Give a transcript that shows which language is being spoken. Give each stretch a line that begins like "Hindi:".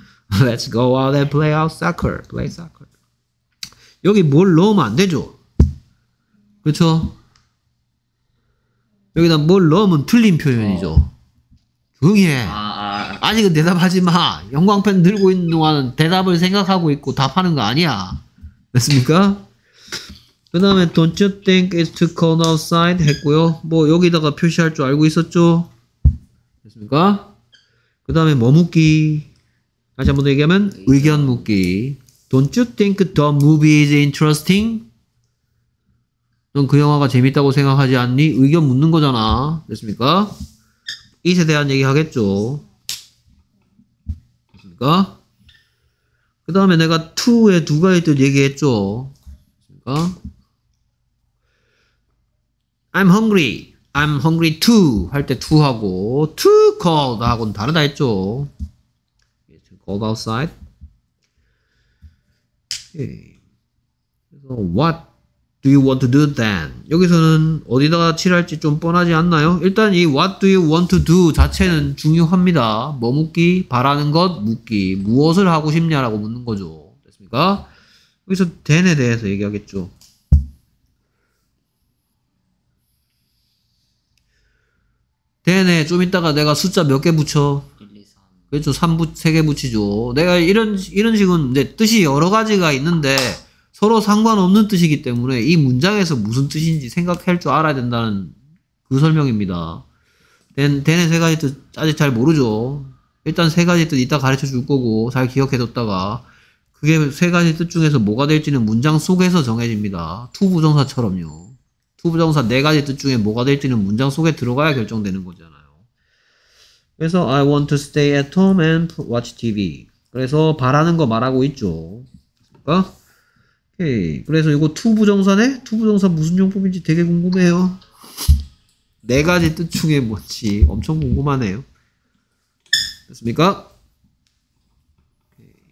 English: Let's go out and play out soccer. Play soccer.
Korean: 여기 뭘 넣으면 안 되죠? 그렇죠? 여기다 뭘 넣으면 틀린 표현이죠. 조용히 해. 아직은 대답하지 마. 형광펜 들고 있는 동안은 대답을 생각하고 있고 답하는 거 아니야. 됐습니까? 그 다음에
English: Don't you think it's too cold outside?
Korean: 했고요. 뭐 여기다가 표시할 줄 알고 있었죠? 됐습니까? 그 다음에 뭐 묻기? 다시 한 번 더 얘기하면 의견 묻기.
English: Don't you think the movie is interesting?
Korean: 넌 그 영화가 재밌다고 생각하지 않니? 의견 묻는 거잖아. 됐습니까? 이에 대한 얘기 하겠죠. 됐습니까? 그 다음에 내가 2에 두 가지 뜻 얘기했죠. 됐습니까?
English: I'm hungry. I'm hungry too.
Korean: 할 때 too 하고 too cold 하고는 다르다 했죠.
English: Cold outside. Okay. So what do you want to do then?
Korean: 여기서는 어디다가 칠할지 좀 뻔하지 않나요? 일단 이
English: what do you want to do
Korean: 자체는 중요합니다. 뭐 묻기, 바라는 것 묻기, 무엇을 하고 싶냐라고 묻는 거죠. 됐습니까? 여기서 then에 대해서 얘기하겠죠. 되네. 좀 이따가 내가 숫자 몇 개 붙여? 1, 2, 3. 그렇죠. 3, 3개 붙이죠. 내가 이런 식은 이제 뜻이 여러 가지가 있는데 서로 상관없는 뜻이기 때문에 이 문장에서 무슨 뜻인지 생각할 줄 알아야 된다는 그 설명입니다. 되네 세 가지 뜻 아직 잘 모르죠. 일단 세 가지 뜻 이따 가르쳐 줄 거고 잘 기억해 뒀다가 그게 세 가지 뜻 중에서 뭐가 될지는 문장 속에서 정해집니다. 투부정사처럼요. 후부정사 네 가지 뜻 중에 뭐가 될지는 문장 속에 들어가야 결정되는 거잖아요.
English: 그래서 I want to stay at home and watch TV.
Korean: 그래서 바라는 거 말하고 있죠. 그러니까? 오케이. 그래서 이거 투부정사네? 투부정사 무슨 용법인지 되게 궁금해요. 네 가지 뜻 중에 뭐지? 엄청 궁금하네요. 됐습니까? 오케이.